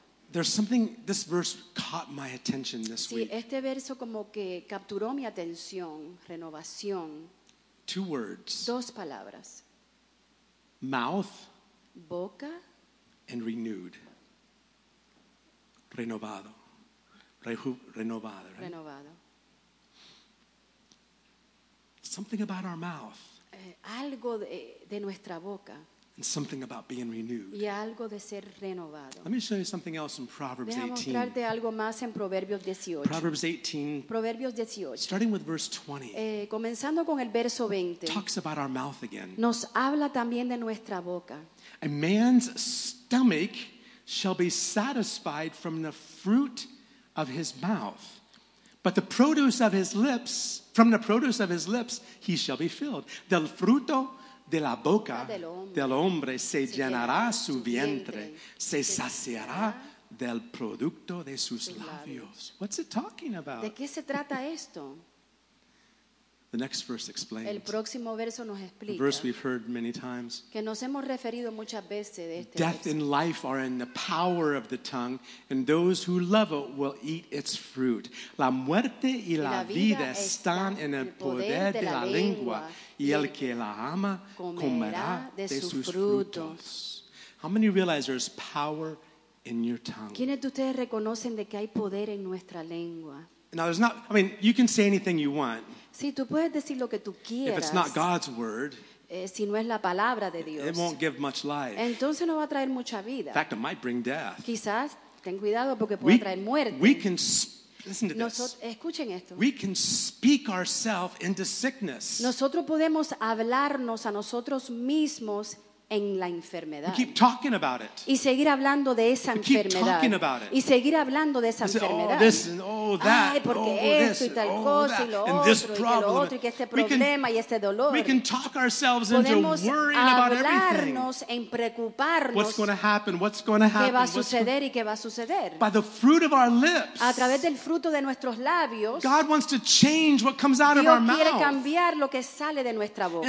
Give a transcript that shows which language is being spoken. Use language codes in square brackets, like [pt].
[en] There's something, this verse caught my attention this [es] sí, [en] week. [es] Este verso como que capturó mi atención, renovación. [en] Two words. [es] Dos palabras. [en] Mouth. [es] Boca. [en] And renewed. [es] Renovado. Renovado, [en] right? [es] Renovado. [en] Something about our mouth. [es] Algo de nuestra boca. [en] And something about being renewed. [es] Y algo de ser renovado. [en] Let me show you something else in Proverbs 18. [es] Déjame mostrarte algo más en Proverbios 18. [en] Proverbs 18. [es] Proverbios 18. [en] Starting with verse 20. [es] Comenzando con el verso 20. [en] Talks about our mouth again. [es] Nos habla también de nuestra boca. [en] A man's stomach shall be satisfied from the fruit of his mouth. But the produce of his lips, from the produce of his lips, he shall be filled. [es] Del fruto de la boca del hombre se llenará su vientre, se saciará del producto de sus labios. [en] What's it talking about? [es] ¿De qué se trata esto? [en] The next verse explains. [es] El próximo verso nos explica. [en] A verse we've heard many times. [es] Que nos hemos referido muchas veces de este [en] death [es] verso. [en] And life are in the power of the tongue, and those who love it will eat its fruit. [es] La muerte y la vida están en el poder de la lengua, y el que la ama comerá de sus frutos. [en] How many realize there's power in your tongue? [es] ¿Quiénes de ustedes reconocen de que hay poder en nuestra lengua? [en] Now there's not, I mean, you can say anything you want. [es] Sí, tú puedes decir lo que tú quieras. [en] If it's not God's word, [es] si no es la palabra de Dios, [en] it won't give much life. [es] Entonces no va a traer mucha vida. [en] In fact, it might bring death. [es] Quizás, ten cuidado porque puede traer muerte. [en] We can listen to this. [es] Escuchen esto. [en] We can speak ourselves into sickness. [es] Nosotros podemos hablarnos a nosotros mismos en la enfermedad. [en] And keep talking about it. [es] Y seguir hablando de esa enfermedad. [en] Keep talking about it. [es] Y seguir hablando de esa enfermedad. [en] Oh, this and oh, that. [es] Ay, porque esto y tal cosa y lo otro y lo otro y que este problema y este dolor. [en] We can talk ourselves into worrying about everything. [es] Podemos hablarnos en preocuparnos. [en] What's going to happen? What's going to happen? [es] ¿Qué va a suceder y qué va a suceder? [en] By the fruit of our lips. [es] A través del fruto de nuestros labios. [en] God wants to change what comes out of our mouth. [es] Dios quiere cambiar lo que sale de nuestra boca.